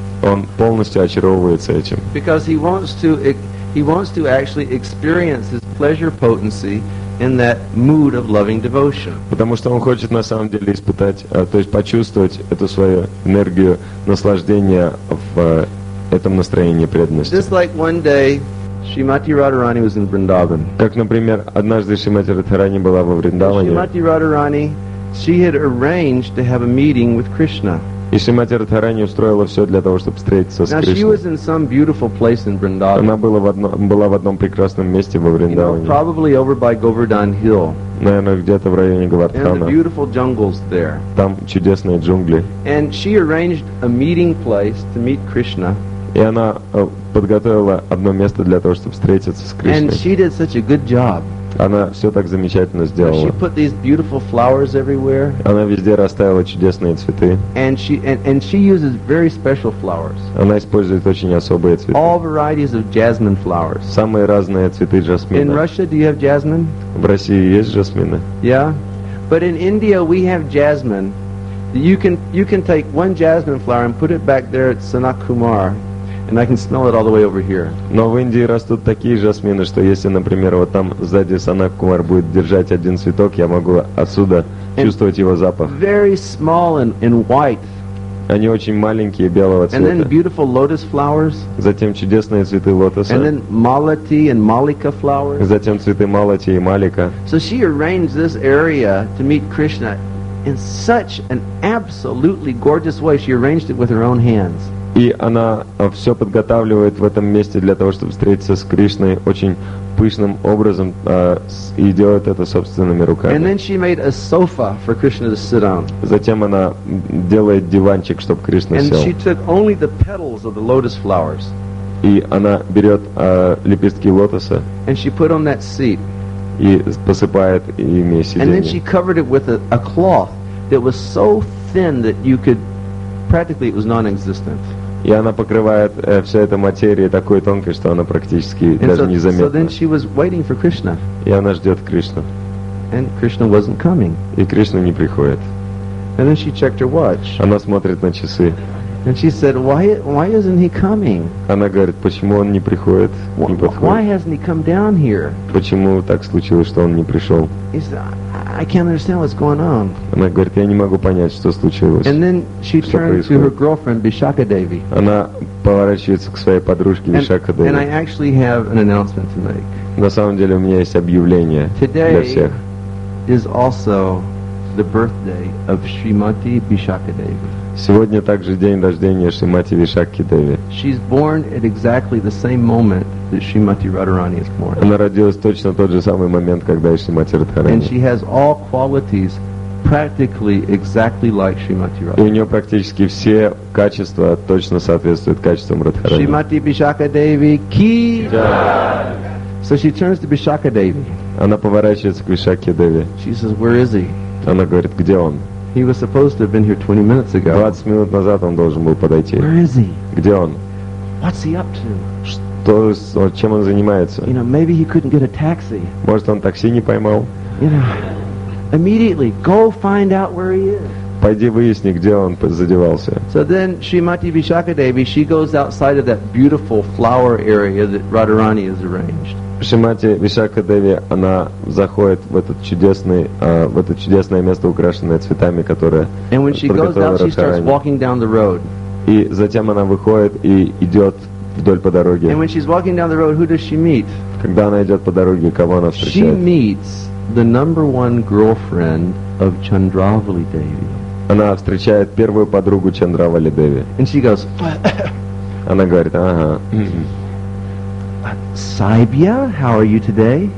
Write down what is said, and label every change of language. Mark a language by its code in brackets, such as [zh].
[ru] Он полностью очаровывается этим. [en] Because he wants to actually experience his pleasure potency in that mood of loving devotion. [ru] Потому что он хочет на самом деле испытать, то есть почувствовать эту свою энергию наслаждения в этом настроении преданности. [en] Just like one day Shrimati Radharani was in Vrindavan. [ru] Как, например, однажды Шримати Радхарани была во Вриндаване. [en] Shrimati Radharani, she had arranged to have a meeting with Krishna. [ru] И Шримати Радхарани устроила все для того, чтобы встретиться с Кришной. [en] Now she was in some beautiful place in Vrindavan. [ru] Она была в одном прекрасном месте во Вриндаване. [en] You know, probably over by Govardhan Hill. [ru] Наверное, где-то в районе Говардхана. [en] And the beautiful jungles there. [ru] Там чудесные джунгли. [en] And she arranged a meeting place to meet Krishna. [ru] И она подготовила одно место для того, чтобы встретиться с Кришной. [en] And she did such a good job. [ru] Она все так замечательно сделала. [en] She put these beautiful flowers everywhere. [ru] Она везде расставила чудесные цветы. [en] And she uses very special flowers. [ru] Она использует очень особые цветы. [en] All varieties of jasmine flowers. [ru] Самые разные цветы жасмина. [en] In Russia, do you have jasmine? [ru] В России есть жасмины? [en] Yeah, but in India we have jasmine. You can take one jasmine flower and put it back there at Sanat Kumar. And I can smell it all the way over here. [ru] Но в Индии растут такие жасмины, что если, например, вот там сзади Санак Кумар будет держать один цветок, я могу отсюда чувствовать его запах. [en] Very small and white. [ru] Они очень маленькие, белого цвета. [en] And then beautiful lotus flowers. [ru] Затем чудесные цветы лотоса. [en] And then malati and malika flowers. [ru] Затем цветы малати и малика. [en] So she arranged this area to meet Krishna in such an absolutely gorgeous way. She arranged it with her own hands. [ru] И она все подготавливает в этом месте для того, чтобы встретиться с Кришной очень пышным образом, и делает это собственными руками. [en] And then she made a sofa for Krishna to sit on. [ru] Затем она делает диванчик, чтобы Кришна [en] and [ru] сел. [en] And she took only the petals of the lotus flowers. [ru] И она берет лепестки лотоса. [en] And she put on that seat. [ru] И посыпает ими сиденье. [en] And then she covered it with a cloth that was so thin that you could practically it was non-existent. [ru] И она покрывает все это материей такой тонкой, что она практически даже незаметна. [en] So then she was waiting for Krishna. [ru] И она ждет Кришну. [en] And Krishna wasn't coming. [ru] И Кришна не приходит. [en] And then she checked her watch. [ru] Она смотрит на часы. [en] And she said, why isn't he coming? [ru] Она говорит, почему он не приходит, не подходит? [en] Why hasn't he come down here? [ru] Почему так случилось, что он не пришел? [en] He said, I can't understand what's going on. [ru] Она говорит, я не могу понять, что случилось. [en] And then she turned to her girlfriend, Vishakha Devi. [ru] Она поворачивается к своей подружке Vishakha Devi. [en] And I actually have an announcement to make. [ru] На самом деле у меня есть объявление [en] Today [ru] для всех. [en] Today is also the birthday of Srimati Vishakha Devi. [ru] Сегодня также день рождения Шримати Вишакхи Деви. [en] She's born at exactly the same moment that Srimati Radharani is born. [ru] Она родилась точно в тот же самый момент, когда и Шримати Радхарани. [en] And she has all qualities practically exactly like Srimati Radharani. [ru] И у нее практически все качества точно соответствуют качествам Радхарани. [en] Srimati Vishakha Devi ki. So she turns to Vishakha Devi. [ru] Она поворачивается к Вишакхи Деви. [en] She says, "Where is he?" [ru] Она говорит, где он? [en] He was supposed to have been here 20 minutes ago. [ru] 20 минут назад он должен был подойти. [en] Where is he? [ru] Где он? [en] What's he up to? [ru] Что, чем он занимается? [en] You know, maybe he couldn't get a taxi. [ru] Может, он такси не поймал? [en] You know, immediately go find out where he is. [ru] Пойди выясни, где он задевался. [en] So then Srimati Vishakha Devi, she goes outside of that beautiful flower area that Radharani has arranged. [ru] Шримати Вишакха Деви, она заходит в этот чудесный, в это чудесное место, украшенное цветами, которое подготовила Радхарани. И затем она выходит и идет вдоль по дороге. [en] And when she's walking down the road, who does she meet? [ru] Когда она идет по дороге, кого она встречает? [en] She meets the number one girlfriend of Chandravali Devi. [ru] Она встречает первую подругу Чандравали Деви. [en] And she goes, what? [ru] Она говорит, ага. [en] Saibya, how are you today?